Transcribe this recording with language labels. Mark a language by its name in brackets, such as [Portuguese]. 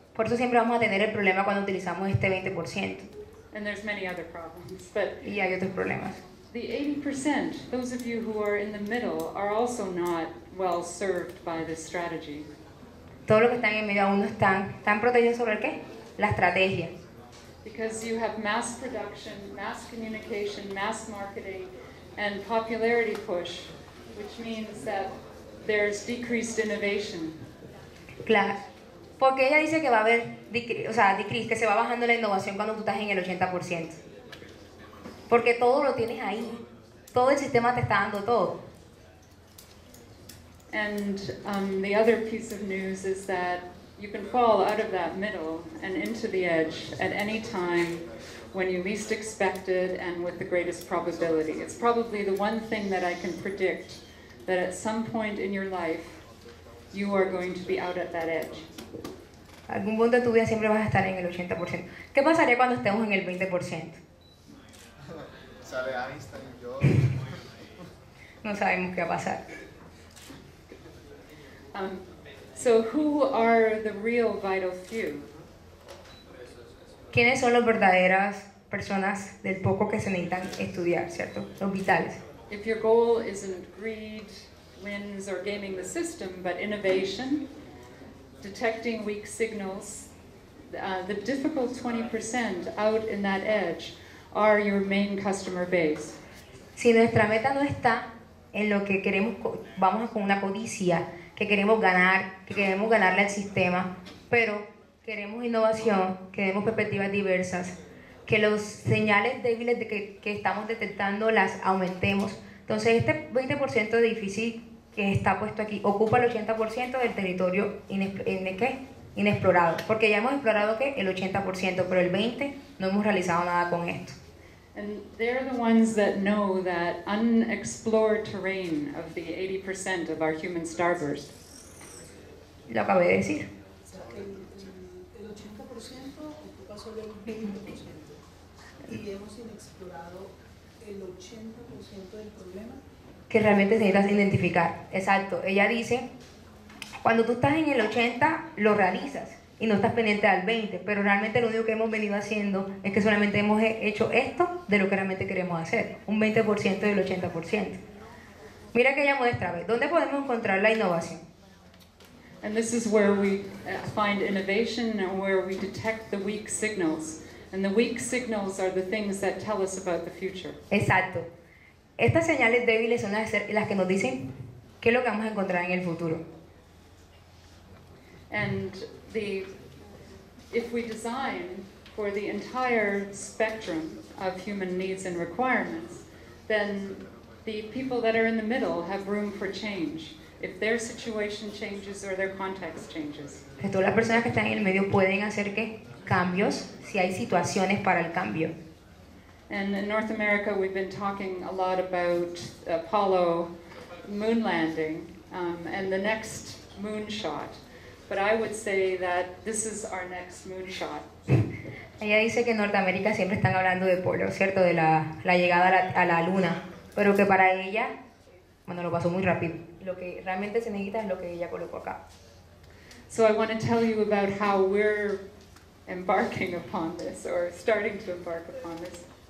[Spanish] Por eso siempre vamos a tener el problema cuando utilizamos este 20%. [English] And there's many other problems, but [Spanish] y hay otros problemas. [English] The 80%, those of you who are in the middle, are also not well served by this strategy. [Spanish] Todos los que están en medio aún no están protegidos sobre el qué? La estrategia. [English] Because you have mass production, mass communication, mass marketing, and popularity push, which means that there's decreased innovation. [Spanish] Claro. Porque ella dice que va a haber, o sea, decrease, que se va bajando la innovación cuando tú estás en el 80%. Porque todo lo tienes ahí. Todo el sistema te está dando todo. [English] And the other piece of news is that you can fall out of that middle and into the edge at any time when you least expect it and with the greatest probability. It's probably the one thing that I can predict that at some point in your life you are going to be out at that edge. [Spanish] Algún punto de tu vida siempre vas a estar en el 80%. ¿Qué pasaría cuando estemos en el 20%? Sale Einstein y yo. No sabemos qué va a pasar. So who are the real vital few? ¿Quiénes son las verdaderas personas del poco que se necesitan estudiar, cierto? Los vitales. [English] If your goal isn't greed, wins or gaming the system, but innovation, detecting weak signals, the difficult 20% out in that edge are your main customer base. [Spanish] Si nuestra meta no está en lo que queremos, vamos con una codicia, que queremos ganarle al sistema, pero queremos innovación, queremos perspectivas diversas, que los señales débiles que estamos detectando las aumentemos. Entonces este 20% de difícil que está puesto aquí ocupa el 80% del territorio inexplorado, porque ya hemos explorado que el 80%, pero el 20 no hemos realizado nada con esto. [English] And they're the ones that know that unexplored terrain of the 80% of our human starburst. [Spanish] lo acabé de decir. O sea, el 80% ocupa solo el 20%. Y hemos inexplorado el 80% del problema. Que realmente necesitas identificar. Exacto. Ella dice, cuando tú estás en el 80, lo realizas. Y no estás pendiente al 20. Pero realmente lo único que hemos venido haciendo es que solamente hemos hecho esto de lo que realmente queremos hacer. Un 20% del 80%. Mira que ella muestra, ¿dónde podemos encontrar la innovación? [English] And this is where we find innovation and where we detect the weak signals. And the weak signals are the things that tell us about the future. [Spanish] Exacto. Estas señales débiles son las que nos dicen qué es lo que vamos a encontrar en el futuro. [English] And the if we design for the entire spectrum of human needs and requirements, then the people that are in the middle have room for change. If their situation changes or their context changes. [Spanish] Que todas las personas que están en el medio pueden hacer que cambios si hay situaciones para el cambio. [English] And in North America, we've been talking a lot about Apollo moon landing and the next moonshot. But I would say that this is our next moonshot. [Spanish] Ella dice que en Norteamérica siempre están hablando de Apolo, ¿cierto? De la llegada a la luna. Pero que para ella, bueno, lo pasó muy rápido. Lo que realmente se necesita es lo que ella colocó acá. [English] So I want to tell you about how we're embarking upon this or starting to embark upon this.